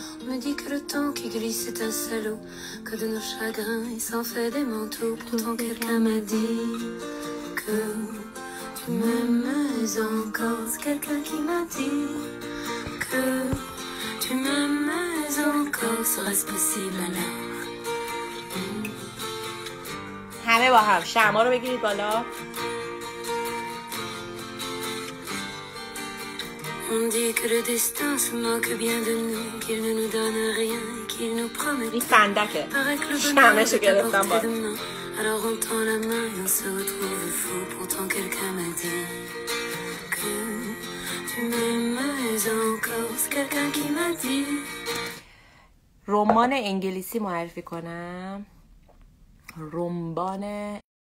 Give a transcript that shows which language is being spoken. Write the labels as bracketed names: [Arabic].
[French] On me dit que le temps qui glisse est un salaud, que de nos chagrins il s'en fait des manteaux. Pourtant quelqu'un m'a dit que tu m'aimes encore. C'est quelqu'un qui m'a dit que tu m'aimes encore. Serait-ce possible alors? [Persian] همه با هم شما رو بگیرید بالا. [French] On dit que le destin se moque bien de nous, qu'il ne nous donne rien, qu'il nous promet. Il paraît que le bonheur est à portée de main. Alors on tend la main et on se retrouve fou. Pourtant quelqu'un m'a dit que tu m'aimes encore. C'est quelqu'un qui m'a dit. [Persian] رمان انگلیسی معرفی کنم. رمان